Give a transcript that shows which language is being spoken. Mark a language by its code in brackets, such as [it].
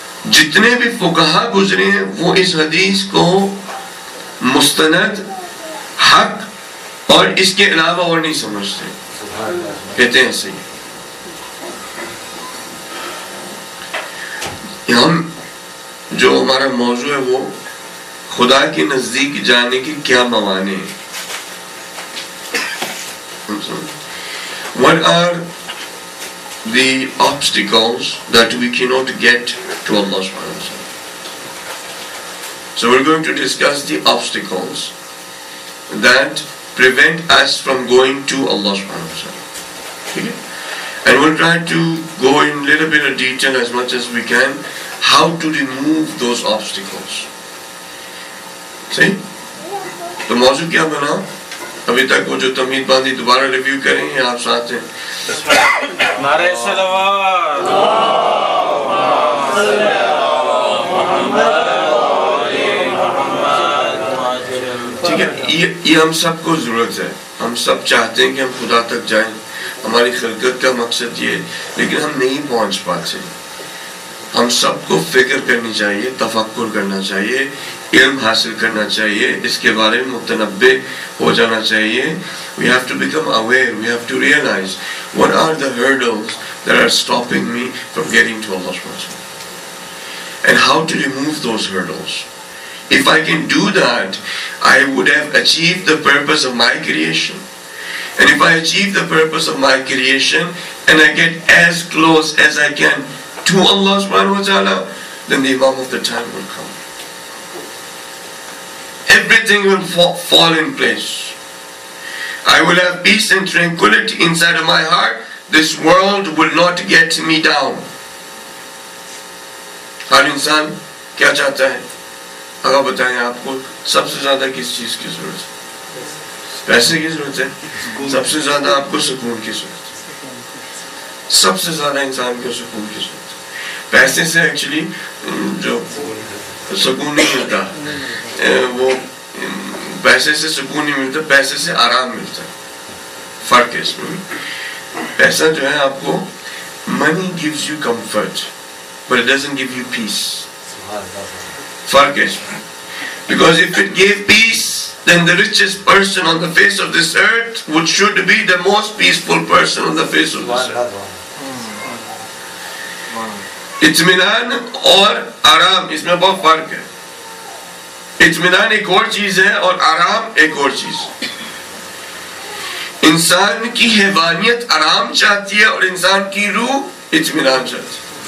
[ur] جتنے بھی فقہا گزرے ہیں وہ اس حدیث کو مستند حق اور اس کے علاوہ اور نہیں سمجھتے, کہتے ہیں صحیح. ہم جو ہمارا موضوع ہے وہ خدا کے نزدیک جانے کے کیا موانع ہیں. [en] What are the obstacles that we cannot get to Allah subhanahu wa ta'ala? So we're going to discuss the obstacles that prevent us from going to Allah subhanahu wa ta'ala. And we'll try to go in a little bit of detail as much as we can, how to remove those obstacles. See? [ur] The mauzu kya bana? ابھی تک وہ جو تمید باندھی دوبارہ review کریں یا آپ ساتھ ہیں. نعرہ صلوات محمد. ٹھیک ہے, یہ ہم سب کو ضرورت ہے. ہم سب چاہتے ہیں کہ ہم خدا تک جائیں, ہماری خلقت کا مقصد یہ, لیکن ہم نہیں پہنچ پاتے. ہم سب کو فکر کرنی چاہیے, تفکر کرنا چاہیے, علم حاصل کرنا چاہیے, اس کے بارے میں متنبع ہو جانا چاہیے. [en] We have to become aware, we have to realize what are the hurdles that are stopping me from getting to Allah subhanahu wa ta'ala and how to remove those hurdles. If I can do that, I would have achieved the purpose of my creation. And if I achieve the purpose of my creation and I get as close as I can to Allah subhanahu wa ta'ala, then the Imam of the time will come. Everything will fall in place. I will have peace and tranquility inside of my heart. This world will not get me down. [ur] ہر انسان کیا چاہتا ہے, اگر بتائیں آپ کو سب سے زیادہ کس چیز کی ضرورت ہے؟ پیسے کی ضرورت ہے. سب سے زیادہ آپ کو سکون کی ضرورت ہے. سب سے زیادہ انسان کو سکون کی ضرورت ہے. پیسے سے ایکچولی جو سکون نہیں ملتا, وہ پیسے سے سکون نہیں ملتا, پیسے سے آرام ملتا ہے. فرق ہے اس میں. پیسہ جو ہے آپ کو, [en] Money gives you comfort but it doesn't give you peace. [ur] فرق ہے اس میں. [en] Because if it give peace then the richest person on the face of this earth would should be the most peaceful person on the face of this earth. [ur] اطمینان اور آرام, اس میں بہت فرق ہے. اطمینان ایک اور چیز ہے اور آرام ایک اور چیز ہے. انسان کی حیوانیت آرام چاہتی ہے اور انسان کی روح اطمینان چاہتی ہے.